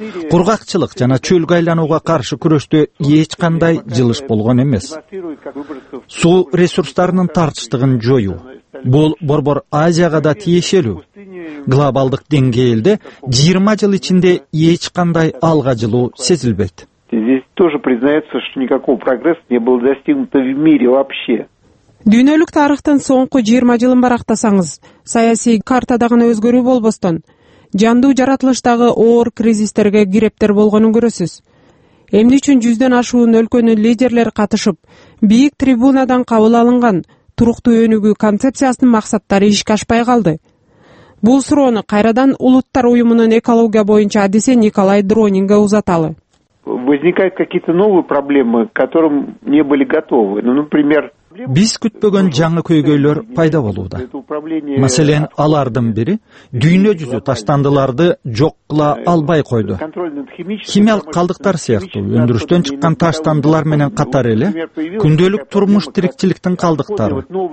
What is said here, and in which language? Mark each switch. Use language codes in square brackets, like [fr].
[ky] Кургакчылык жана чөлгө айланууга каршы күрөштө эч кандай жылыш болгон эмес. Суу ресурстарынын тартыштыгын жоюу. Бул борбор Азияга да тиешелүү. Глобалдык деңгээлде 20 жыл ичинде эч кандай алга жылуу сезилбейт. [ru] Здесь тоже признается, что никакого прогресса не было достигнуто в мире вообще. [ky] Дүйнөлүк тарыхтын соңку 20 жылын барактасаңыз, саясий картада гана өзгөрүү болбостон, жандуу жаратылыштагы оор кризистерге гирептер болгонун көрөсүз. Эмне үчүн 100дөн ашуун өлкөнүн лидерлери катышып, бийик трибунадан кабыл алынган туруктуу өнүгүү концепциясынын максаттары ишке ашпай калды? Бул суроону кайрадан Улуттар Уюмунун экология боюнча адиси Николай Дронинге узаталы. [ru] Возникают какие-то новые проблемы, к которым не были готовы. Например, [ky] биз күтпөгөн жаңы көйгөйлөр пайда болууда. Маселен, алардын бири дүйнө жүзү таштандыларды жок кыла албай койду. Химиялык калдыктар сыяктуу өндүрүштөн чыккан таштандылар менен катар эле күндөлүк турмуш тирикчиликтин калдыктары.